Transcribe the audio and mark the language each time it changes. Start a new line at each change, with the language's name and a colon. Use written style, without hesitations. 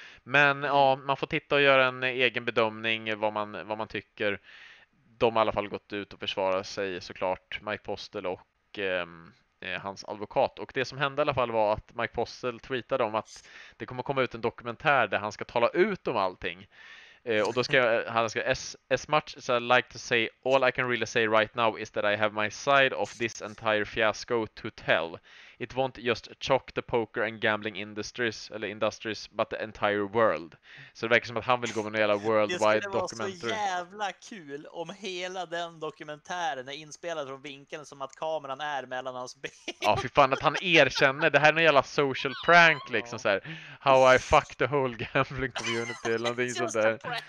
Swedish: Men ja, man får titta och göra en egen bedömning vad man tycker. De har i alla fall gått ut och försvarat sig, såklart, Mike Postel och hans advokat. Och det som hände i alla fall var att Mike Postel tweetade om att det kommer komma ut en dokumentär där han ska tala ut om allting. Och då ska han ska,
English: as much as I like to say, all I can really say right now is that I have my side of this entire fiasco to tell. It won't just chock the poker and gambling industries,
Swedish: eller
English: industries, but the entire world.
Swedish: Så det verkar som att han vill gå med en jävla worldwide dokumentär. Det skulle vara så jävla kul om hela den dokumentären är inspelad från vinkeln som att kameran är mellan hans ben. Ja, fy fan, att han erkänner. Det här är en jävla social prank, liksom så här.
English: How I fuck the whole gambling community,
Swedish: eller någonting sånt där.